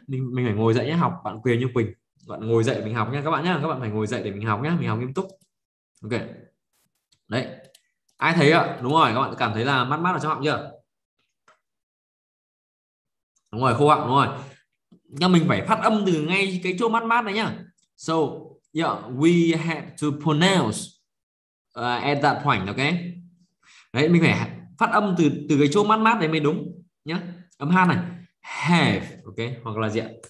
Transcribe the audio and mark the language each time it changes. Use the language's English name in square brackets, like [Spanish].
[Vietnamese] Mình phải ngồi dậy nhá học bạn Kiều Như Quỳnh. Bạn ngồi dậy mình học nhá các bạn nhá. Các bạn phải ngồi dậy để mình học nhá, mình học nghiêm túc. Ok. Đấy. Ai thấy ạ? Đúng rồi, các bạn cảm thấy là mát mát ở trong họng chưa? Đúng rồi, khô họng đúng rồi. Nhưng mình phải phát âm từ ngay cái chỗ mát mát đấy nhá. [English] So, yeah, we have to pronounce at that point, ok? [Vietnamese] Đấy, mình phải phát âm từ cái chỗ mát mát đấy mới đúng nhá. Âm H này, have, ok? Hoặc là gì ạ?